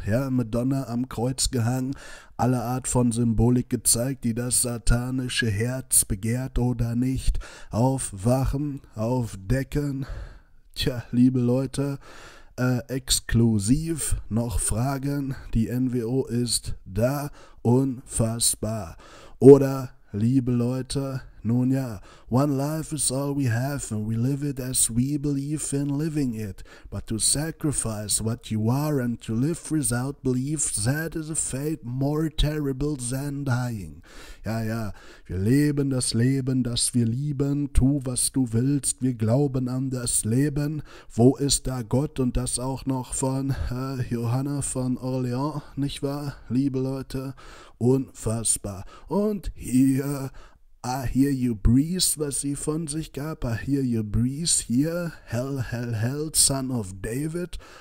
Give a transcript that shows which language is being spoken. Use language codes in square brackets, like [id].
[de] Ja, Madonna am Kreuz gehangen. Alle Art von Symbolik gezeigt, die das satanische Herz begehrt, oder nicht? Aufwachen, aufdecken. Tja, liebe Leute, exklusiv noch Fragen, die NWO ist da, unfassbar. Oder, liebe Leute, nun ja, [en] one life is all we have and we live it as we believe in living it. But to sacrifice what you are and to live without belief, that is a fate more terrible than dying. [de] Ja, ja, wir leben das Leben, das wir lieben, tu, was du willst, wir glauben an das Leben. Wo ist da Gott? Und das auch noch von Johanna von Orléans, nicht wahr, liebe Leute? Unfassbar. Und hier, [en] I hear you breathe, [de] was sie von sich gab, [en] I hear you breathe, hier, hell, hell, hell, son of David.